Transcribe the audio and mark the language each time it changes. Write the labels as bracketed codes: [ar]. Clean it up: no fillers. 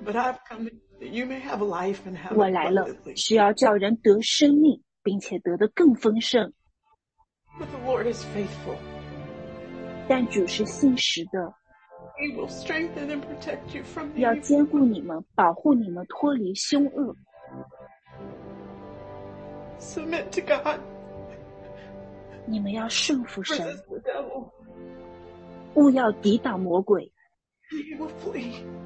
[en] But I've come that you may have life and have. [zh] 我来了，是要叫人得生命，并且得的更丰盛。 [en] But the Lord is faithful. [zh] 但主是信实的。 [en] He will strengthen and protect you from. [zh] 要坚固你们，保护你们脱离凶恶。 [en] Submit to God. [zh] 你们要顺服神。 [en] Resist the devil. [zh] 勿要抵挡魔鬼。 [en] He will flee.